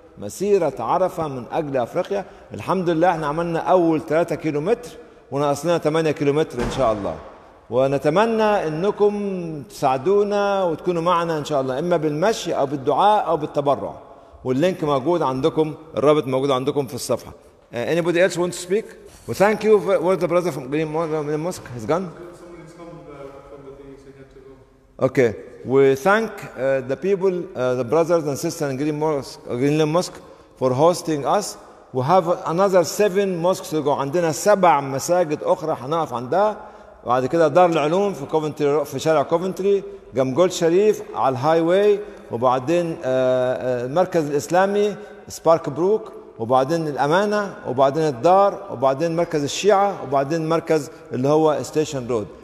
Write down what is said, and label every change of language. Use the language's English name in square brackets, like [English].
[Arabic] مسيرة عرفة من أجل أفريقيا. الحمد لله احنا عملنا أول 3 كيلومتر ونقص لنا 8 كيلومتر إن شاء الله، ونتمنى أنكم تساعدونا وتكونوا معنا إن شاء الله، إما بالمشي أو بالدعاء أو بالتبرع. واللينك موجود عندكم، الرابط موجود عندكم في الصفحة. [English] Anybody else want to speak? Well, thank you. Where's the brother from Green Mosque? He's gone? Someone's come from the thing, so you have to go. Okay. We thank the people, the brothers and sisters in Green Mosque, Green Lane Mosque, for hosting us. We have another 7 mosques to go. [Arabic] عندنا 7 مساجد أخرى حنقف عندها. بعد كده دار العلوم في كوفنتري، في شارع كوفنتري، جمجول شريف على الهايواي، وبعدين المركز الإسلامي سبارك بروك، وبعدين الأمانة، وبعدين الدار، وبعدين مركز الشيعة، وبعدين مركز اللي هو ستيشن رود.